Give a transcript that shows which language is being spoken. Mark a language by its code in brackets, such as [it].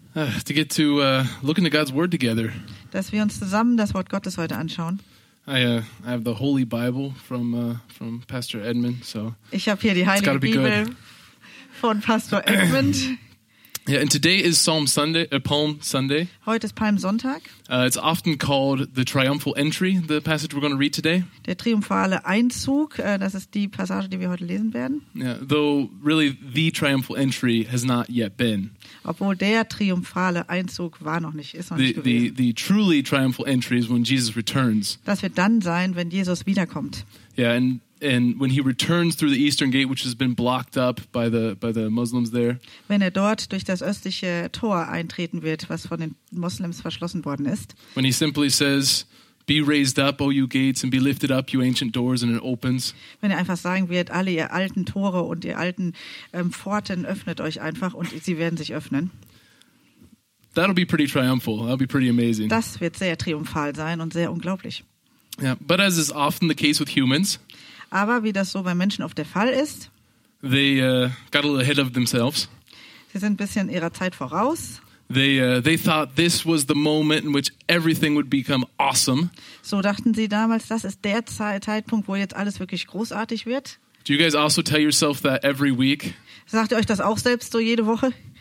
[en] To get to look into God's Word together. [de] Dass wir uns zusammen das Wort Gottes heute anschauen. [en] I have the Holy Bible from Pastor Edmund, so. [de] Ich habe hier die Heilige Bibel von Pastor Edmund. [en] Yeah, and today is Palm Sunday. [de] Heute ist Palmsonntag. [en] It's often called the triumphal entry, the passage we're going to read today. [de] Der triumphale Einzug, das ist die Passage, die wir heute lesen werden. [en] Yeah, though really the triumphal entry has not yet been. [de] Obwohl der triumphale Einzug war noch nicht, ist noch nicht gewesen. [en] The truly triumphal entry is when Jesus returns. [de] Das wird dann sein, wenn Jesus wiederkommt. [en] Yeah, and when he returns through the eastern gate, which has been blocked up by the Muslims there. [de] Wenn er dort durch das östliche Tor eintreten wird, was von den Muslims verschlossen worden ist. [en] When he simply says, "Be raised up, O you gates, and be lifted up, you ancient doors," and it opens. [de] Wenn er einfach sagen wird, alle ihr alten Tore und ihr alten Pforten, öffnet euch einfach und sie werden sich öffnen. [en] That'll be pretty triumphal. That'll be pretty amazing. [de] Das wird sehr triumphal sein und sehr unglaublich. [en] Yeah, but as is often the case with humans. [de] Aber wie das so bei Menschen oft der Fall ist, [en] got a little ahead of themselves. [de] Sie sind ein bisschen ihrer Zeit voraus. [en] They thought this was the moment in which everything would become awesome. [de] So dachten sie damals, das ist der Zeitpunkt, wo jetzt alles wirklich großartig wird. [en] Do you guys also tell yourself that every week? [de] Sagt ihr euch das auch selbst so jede Woche?